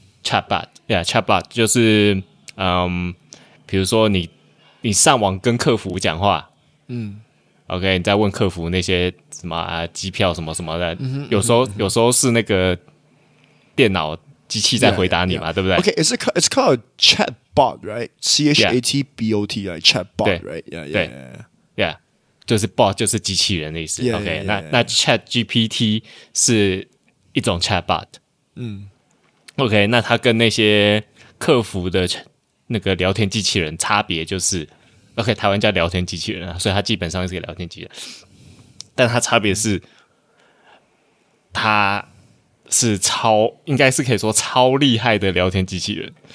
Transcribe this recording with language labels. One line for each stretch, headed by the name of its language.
Chinese: chatbot， yeah， chatbot 就是比如说你上网跟客服讲话，OK， 你在问客服那些什么、机票什么什么的，有时候是那个电脑机器在回答你嘛， yeah, yeah. 对不对
English: ？OK， it's called chatbot， right？ C H A T B O T， right？ Chatbot， right？ Yeah， yeah， yeah， yeah.
Chinese: yeah， 就是 bot 就是机器人的意思。 Yeah, OK， yeah, yeah, 那 Chat GPT 是一种 chatbot， OK， 那它跟那些客服的那个聊天机器人差别就是 ，OK， 台湾叫聊天机器人啊，所以它基本上是个聊天机器人，但它差别是，它是超，应该是可以说超厉害的聊天机器人，